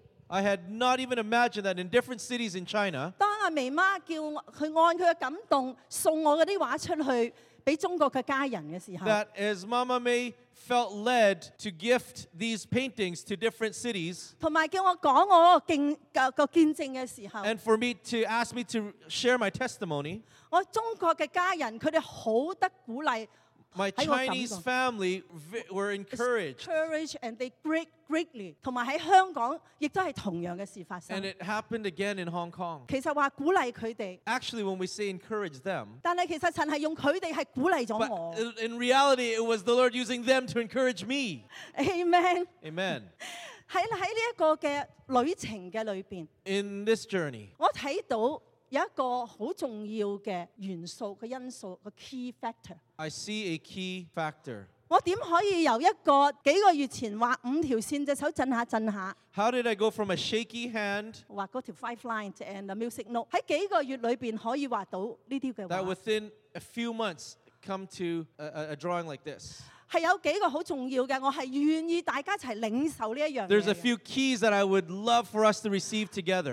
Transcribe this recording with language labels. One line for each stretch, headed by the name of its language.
English: I had not even imagined that in different cities in China, that as Mama May felt led to gift these paintings to different cities, and for me to ask me to share my testimony, my Chinese family were encouraged. And they greatly.
Cantonese: 同埋喺香港亦都係同樣嘅事發生。
English: And it happened again in Hong Kong.
Cantonese: 其實話鼓勵佢哋。
English: Actually, when we say encourage them.
Cantonese: 但係其實神係用佢哋係鼓勵咗我。
English: But in reality, it was the Lord using them to encourage me. Amen. Amen.
Cantonese: 喺呢一個嘅旅程嘅裏邊。
English: In this journey.
Cantonese: 我睇到。有一個好重要嘅元素個因素個 key factor。
English: I see a key factor。
Cantonese: 我點可以由一個幾個月前畫五條線隻手震下震下
English: ？How did I go from a shaky hand？
Cantonese: 畫嗰條
English: five lines and a music note
Cantonese: 喺幾個月裏邊可以畫到呢啲嘅畫
English: ？That within a few months come to a drawing like this。
Cantonese: 係有幾個好重要嘅，我係願意大家一齊領受呢一樣。
English: There's a few keys that I would love for us to receive together.